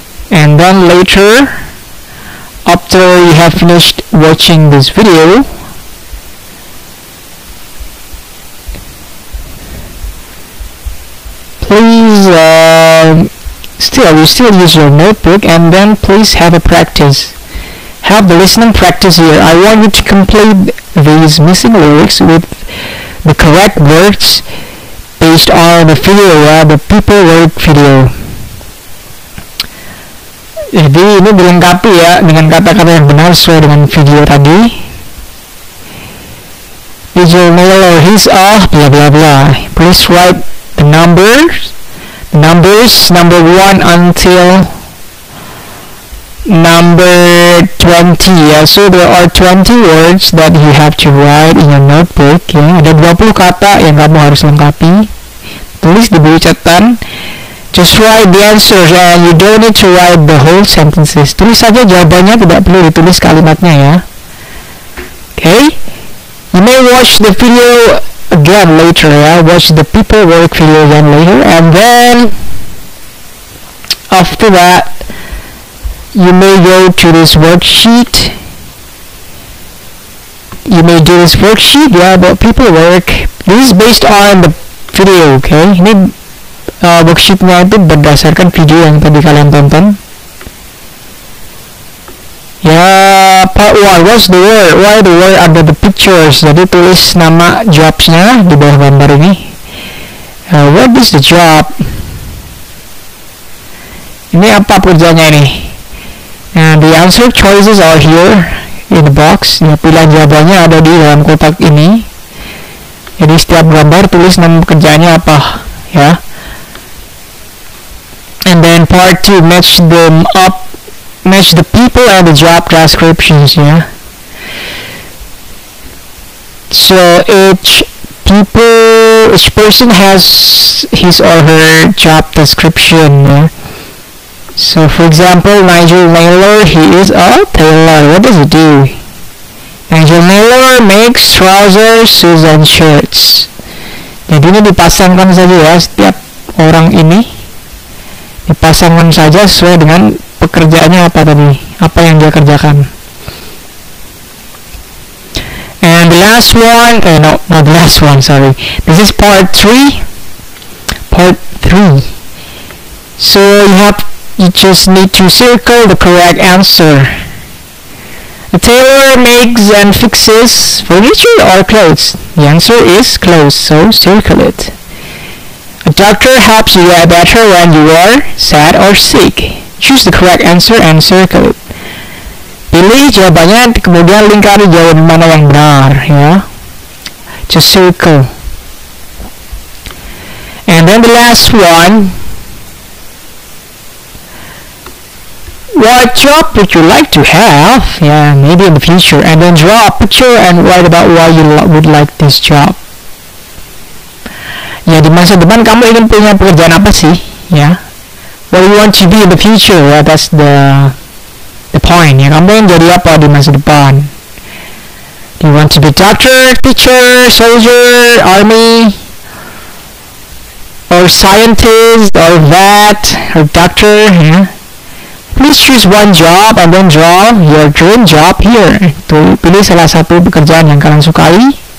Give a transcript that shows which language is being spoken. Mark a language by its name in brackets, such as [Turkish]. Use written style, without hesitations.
[English] And then later, after you have finished watching this video, please still use your notebook, and then please have a practice. Have the listening practice here. I want you to complete these missing lyrics with the correct words based on the video, the people work video. [Indonesian] Jadi ini dilengkapi ya dengan kata-kata yang benar sesuai dengan video tadi. [English] Digital Miller, he's a blah blah blah. Please write the numbers number 1 until number 20. Yeah, so there are 20 words that you have to write in your notebook. [Indonesian] Ya, ada 20 kata yang kamu harus lengkapi. Tulis di buku catatan. [English] Just write the answers, and you don't need to write the whole sentences. [Indonesian] Tulis saja jawabannya, tidak perlu ditulis kalimatnya ya. [English] Okay? You may watch the video again later. I watched the people work video again later, and then after that you may go to this worksheet. You may do this worksheet, yeah, about people work. This is based on the video, okay? [Indonesian] Ini worksheetnya itu berdasarkan video yang tadi kalian tonton. [English] Ya, part 1, what's the word? Why the word under the pictures? [Indonesian] Jadi tulis nama jobsnya di bawah gambar ini. [English] What is the job? [Indonesian] Ini apa pekerjaannya ini? [English] The answer choices are here in the box. [Indonesian] Ya, pilihan jawabannya ada di dalam kotak ini. Jadi setiap gambar tulis nama pekerjaannya apa, ya. [English] And then part 2, match them up. Match the people and the job descriptions, yeah. So each people, each person has his or her job description, yeah. So for example, Nigel Naylor, he is a tailor. What does he do? Nigel Naylor makes trousers, shoes, and shirts. [Indonesian] Jadi ini dipasangkan saja ya, setiap orang ini dipasangkan saja sesuai dengan pekerjaannya apa tadi, apa yang dia kerjakan. [English] And the last one, eh no, not the last one, sorry. This is part 3. Part 3. So you just need to circle the correct answer. The tailor makes and fixes furniture or clothes. The answer is clothes, so circle it. A doctor helps you get better when you are sad or sick. Choose the correct answer and circle it. [Indonesian] Pilih jawabannya, kemudian lingkari jawaban mana yang benar, ya. [English] Just circle. And then the last one. What job would you like to have? Yeah, maybe in the future. And then draw a picture and write about why you would like this job. [Indonesian] Ya, di masa depan kamu ingin punya pekerjaan apa sih, ya. [English] What you want to be in the future, yeah, that's the point, yeah. [Indonesian] Kamu ingin jadi apa di masa depan? [English] Do you want to be doctor, teacher, soldier, army, or scientist, or vet, or doctor, yeah? Please choose one job and then draw your dream job here. [Indonesian] To pilih salah satu pekerjaan yang kalian sukai.